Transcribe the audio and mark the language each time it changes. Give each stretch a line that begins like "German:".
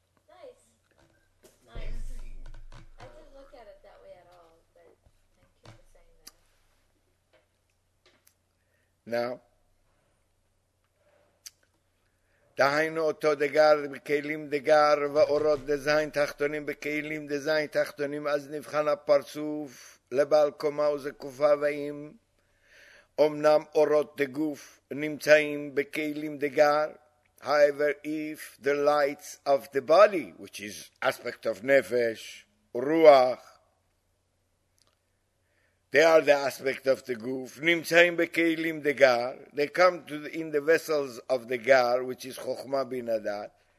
English: Nice. I didn't look at it that way at all, but I keep saying that.
Hebrew: Now, דהיינו אותו דגר בכלים דגר ואורות דזיין תחתונים בכלים דזיין תחתונים אז נבחן הפרצוף לבעל קומה וזקופה ואים אמנם אורות דגוף נמצאים בכלים דגר.
English: However, if the lights of the body, which is aspect of nefesh, ruach, they are the aspect of the goof,
Hebrew: nimtzayim bekeilim degar,
English: they come to in the vessels of the gar, which is chokhmah bin adat.